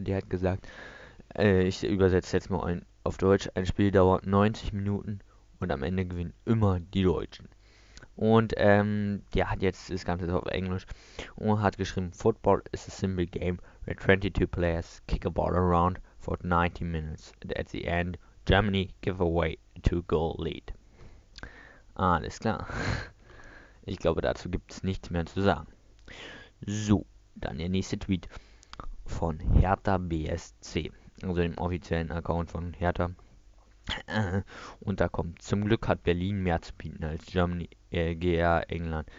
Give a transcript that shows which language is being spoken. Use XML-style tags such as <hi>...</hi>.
<de>Der hat gesagt, ich übersetze jetzt mal auf Deutsch, ein Spiel dauert 90 Minuten und am Ende gewinnen immer die Deutschen. Und der hat jetzt das Ganze auf Englisch und hat geschrieben:</de> <en>Football is a simple game where 22 players kick a ball around for 90 minutes. And at the end, Germany give away a 2-goal lead.</en> <de>Alles klar. Ich glaube, dazu gibt es nichts mehr zu sagen. So, dann der nächste Tweet von Hertha BSC, also dem offiziellen Account von Hertha. Und da kommt: Zum Glück hat Berlin mehr zu bieten als Germany, GR, England.</de>